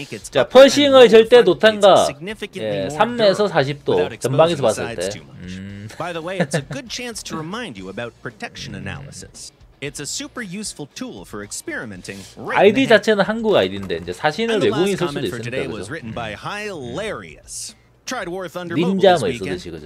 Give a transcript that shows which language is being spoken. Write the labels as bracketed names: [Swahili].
[Korean] 자, 퍼싱의 절대 도탄각, 예, 3에서 40도 전방에서 봤을 때. [English] By the way, it's a good chance to remind you about protection analysis. It's a super useful tool for experimenting. [Korean] 아이디 자체는 한국 아이디인데 이제 사신을 외국인이 쓸 수도 있습니다. 트라이드 워 썬더 모바일 닌자 뭐 있었듯이 그죠.